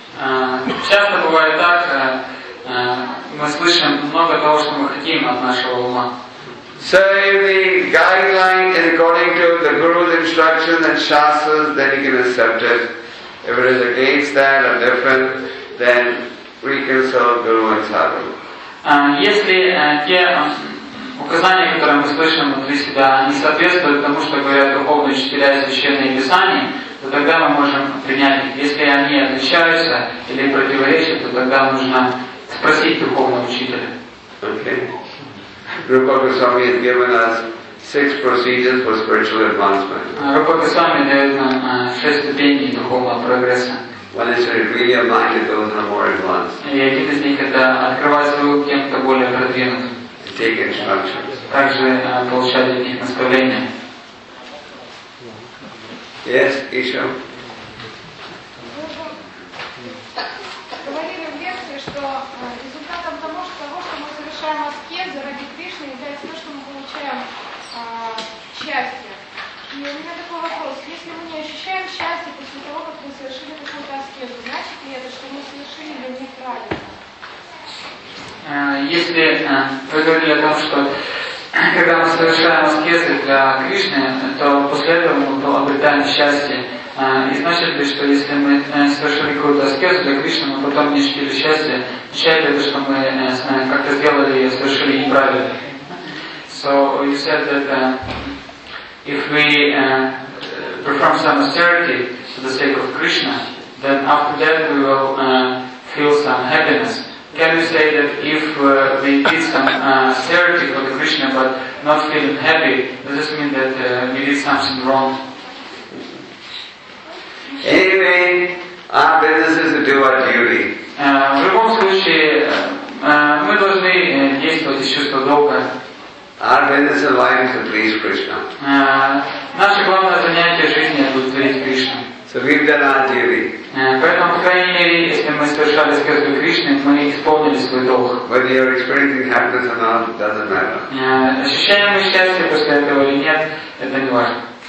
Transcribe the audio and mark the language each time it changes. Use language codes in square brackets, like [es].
[ru] Часто бывает так, мы слышим много того, что мы хотим от нашего ума. [en] So if the guideline is according to the Guru's instruction and Shastras, then you can accept it. If it is against that or different, then we can serve Guru and Sadhu. [ru] Если те указания, которые мы слышим внутри себя, не соответствуют тому, что говорят духовные учителя и священные писания, то тогда мы можем принять их. Если они отличаются или противоречат, то тогда нужно спросить духовного учителя. [en] Okay. Rupa Goswami has given us 6 procedures for spiritual advancement. [ru] Rupa Goswami дает нам 6 ступеней духовного прогресса. [en] One is to reveal your mind to those who are more advanced. [ru] И один из них это открывать свой ум тем, кто более продвинут. [en] Take instructions. [ru] Также получать от них наставления. [en] Yes, Isha. [ru] Говорили в лекции, что результатом того, что мы совершаем аскезы ради Кришны, является то, что мы получаем счастье. И у меня такой вопрос. Если мы не ощущаем счастье после того, как мы совершили какую-то аскезу, значит ли это, что мы совершили для них радость? Если вы говорили о том, что когда мы совершаем аскезы для Кришны, то после этого мы обретаем счастье. И значит ли, что если мы совершили какую-то аскезу для Кришны, мы потом не ощутили счастье, означает ли это, что мы как-то сделали ее, совершили неправильно? [en] So you said that if we perform some austerity for the sake of Krishna, then after that we will feel some happiness. Can you say that if we did some austerity for the Krishna but not feeling happy, does this mean that we did something wrong? Anyway, our business is to do our duty. [ru] В любом случае, мы должны действовать из чувства долга. [en] Our business in life is to please Krishna. [ru] Наше главное занятие жизни – удовлетворить Кришну. [en] So we've done our duty. [ru] Поэтому, по крайней мере, если мы совершали аскезу Кришны, мы исполнили свой долг. [en] Whether you're experiencing happiness or not, doesn't matter. [ru] Ощущаем мы счастье после этого или нет, это не важно.